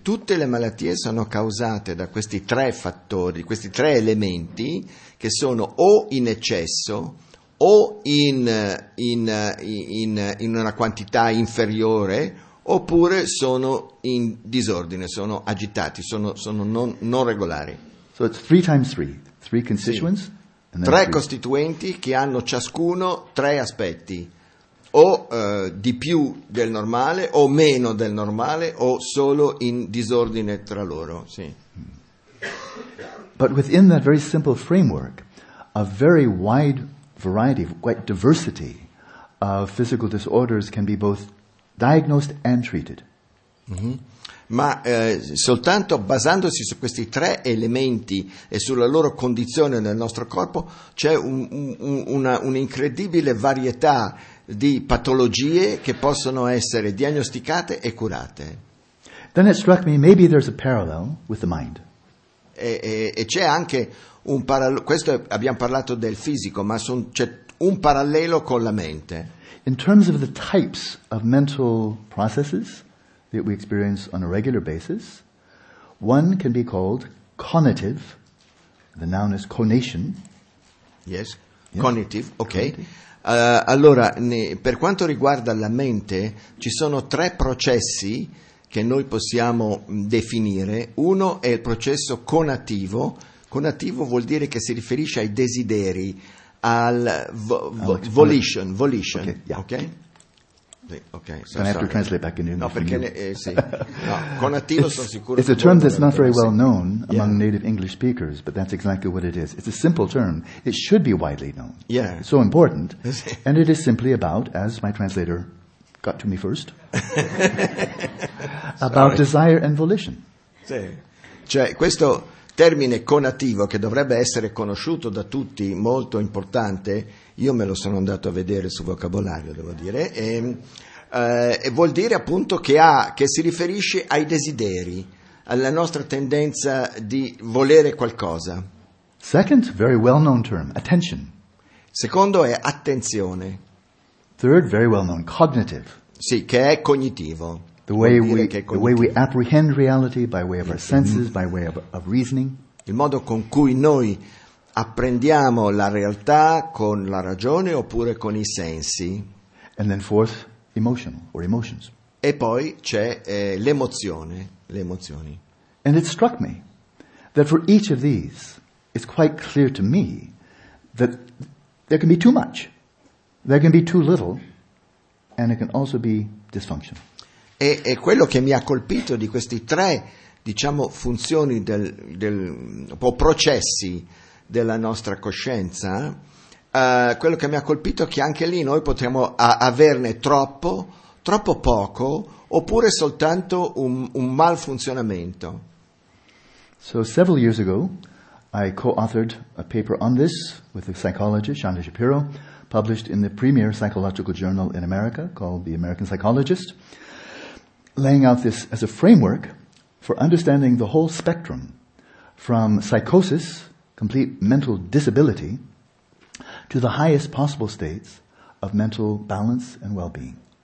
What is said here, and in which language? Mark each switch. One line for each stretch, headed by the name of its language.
Italian: Tutte le malattie sono causate da questi tre fattori, questi tre elementi che sono o in eccesso, o in una quantità inferiore, oppure sono in disordine, sono agitati, sono non regolari.
English: So it's three times three, three constituents.
Italian: Sì. Tre costituenti che hanno ciascuno tre aspetti, o di più del normale, o meno del normale, o solo in disordine tra loro. Sì.
English: But within that very simple framework, a very wide variety, quite diversity of physical disorders can be both diagnosed and treated. Mm-hmm.
Italian: Ma soltanto basandosi su questi tre elementi e sulla loro condizione nel nostro corpo, c'è un'incredibile varietà di patologie che possono essere diagnosticate e curate.
English: Then it struck me, maybe there's a parallel with the mind.
Italian: E c'è anche abbiamo parlato del fisico, ma c'è un parallelo con la mente.
English: In terms of the types of mental processes that we experience on a regular basis, one can be called conative. The noun is conation. Yes, yeah. Conative, ok. Conative.
Italian: Allora, per quanto riguarda la mente, ci sono tre processi che noi possiamo definire. Uno è il processo conativo. Conativo vuol dire che si riferisce ai desideri, al volition.
English: Okay, yeah. Okay? Okay, so then I have to translate back in English.
Italian: No, perché sì. No, con attivo sono sicuro.
English: It's a term that's not very well known among native English speakers, but that's exactly what it is. It's a simple term. It should be widely known. Yeah. It's so important. And it is simply about, as my translator got to me first, about desire and volition.
Italian: Sì. Cioè, questo termine conativo, che dovrebbe essere conosciuto da tutti, molto importante, io me lo sono andato a vedere sul vocabolario, devo dire, e vuol dire appunto che si riferisce ai desideri, alla nostra tendenza di volere qualcosa.
English: Second, very well-known term, attention.
Italian: Secondo è attenzione.
English: Third, very well-known, cognitive.
Italian: Sì, che è cognitivo.
English: The way we apprehend reality by way of our senses, by way of reasoning.
Italian: Il modo con cui noi apprendiamo la realtà con la ragione oppure con i sensi.
English: And then fourth, emotional or emotions.
Italian: E poi c'è le emozioni.
English: And it struck me that for each of these, it's quite clear to me that there can be too much, there can be too little, and it can also be dysfunctional.
Italian: E quello che mi ha colpito di questi tre, diciamo, funzioni o processi della nostra coscienza, quello che mi ha colpito è che anche lì noi potremmo averne troppo, troppo poco, oppure soltanto un mal funzionamento.
English: So several years ago I co-authored a paper on this with a psychologist, Shonda Shapiro, published in the premier psychological journal in America called The American Psychologist, laying out this as a framework for understanding the whole spectrum from psychosis, complete mental disability, to the highest possible states of mental balance and well-being.